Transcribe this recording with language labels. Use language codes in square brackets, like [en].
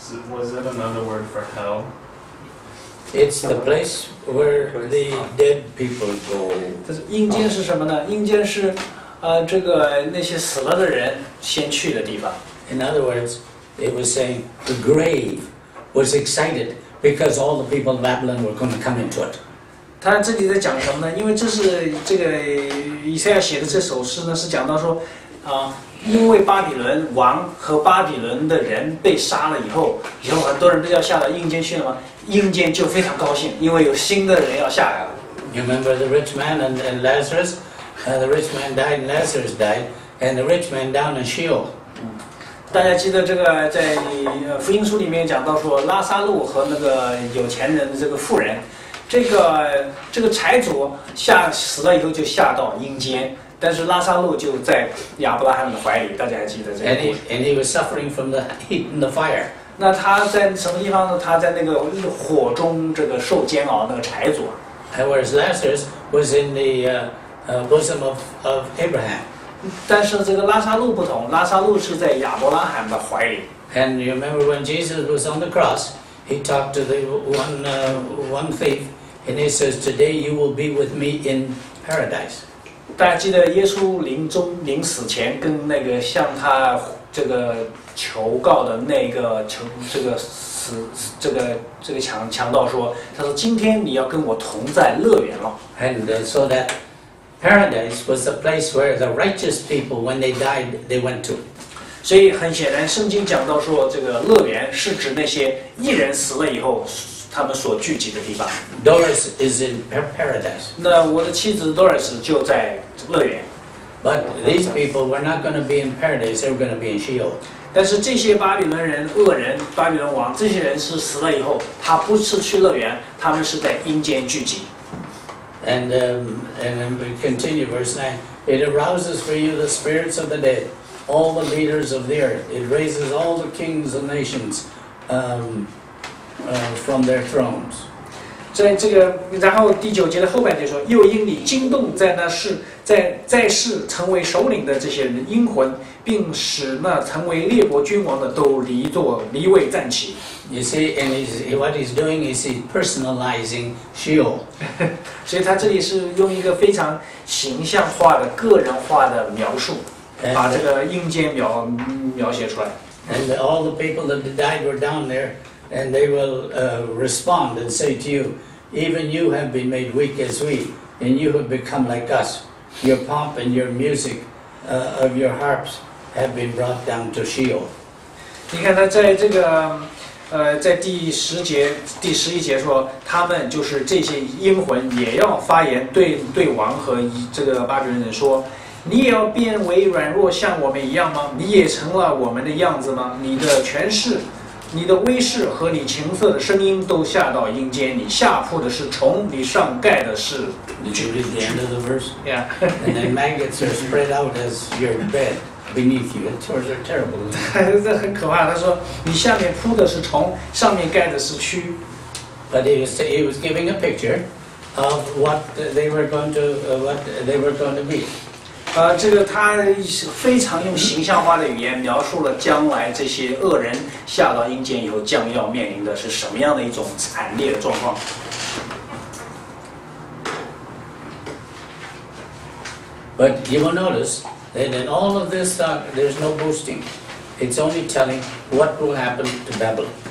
[en] Was it another word for hell? It's the place where the dead people go. [zh] 它是阴间是什么呢？阴间是，这个那些死了的人先去的地方。 [en] In other words, it was saying the grave was excited because all the people of Babylon were going to come into it. [zh] 他这里在讲什么呢？因为这是这个以赛亚写的这首诗呢，是讲到说，因为巴比伦王和巴比伦的人被杀了以后很多人都要下到阴间去了吗？阴间就非常高兴，因为有新的人要下来了。 [en] You remember the rich man and Lazarus? The rich man died and Lazarus died, and the rich man down in Sheol. [zh] 大家记得这个在福音书里面讲到说，拉撒路和那个有钱人这个富人，这个财主死了以后就下到阴间。但是拉撒路就在亚伯拉罕的怀里，大家还记得这个故事。 [en] And he was suffering from the heat and the fire. [zh] 那他在什么地方呢？他在那个火中这个受煎熬，那个柴火。 [en] And whereas Lazarus was in the bosom of Abraham. [zh] 但是这个拉撒路不同，拉撒路是在亚伯拉罕的怀里。 [en] And you remember when Jesus was on the cross, he talked to the one thief, and he says, "Today you will be with me in paradise." [zh] 大家记得耶稣临死前跟那个向他这个求告的那个求这个死这个强盗说，他说今天你要跟我同在乐园了。 [en] And so that paradise was the place where the righteous people, when they died, they went to. [zh] 所以很显然，圣经讲到说，这个乐园是指那些义人死了以后，他们所聚集的地方。 [en] Doris is in paradise. [zh] 那我的妻子 Doris 就在乐园。 [en] But these people were not going to be in paradise. They were going to be in Sheol. [zh] 但是这些巴比伦人、恶人、巴比伦王，这些人是死了以后，他不是去乐园，他们是在阴间聚集。 [en] And then we continue verse 9. It arouses for you the spirits of the dead. All the leaders of the earth. It raises all the kings and nations from their thrones. [zh] 在这个，然后第九节的后半节说，又因你惊动在那世在世成为首领的这些人的阴魂，并使那成为列国君王的都离位站起。 [en] You see, and what he's doing is he's personalizing Sheol. [zh] 所以他这里是用一个非常形象化的、个人化的描述。把这个阴间描写出来。 [en] And all the people that died were down there, and they will respond and say to you, even you have been made weak as we, and you have become like us. Your pomp and your music of your harps have been brought down to Sheol. [zh] 你看他在这个在第十节第十一节说，他们就是这些阴魂也要发言对王和这个巴比伦人说。你也要变为软弱，像我们一样吗？你也成了我们的样子吗？你的权势、你的威势和你情色的声音都下到阴间。你下铺的是虫，你上盖的是蛆。 [en] Did you read the end of the verse? Yeah. And then maggots are spread out as your bed beneath you. It was terrible. [zh] 这很可怕。他说，你下面铺的是虫，上面盖的是蛆。 [en] But he was giving a picture of what they were going to what they were going to be. [zh] 这个他非常用形象化的语言描述了将来这些恶人下到阴间以后将要面临的是什么样的一种惨烈的状况。 [en] But you will notice that in all of this talk, there's no boasting. It's only telling what will happen to Babylon.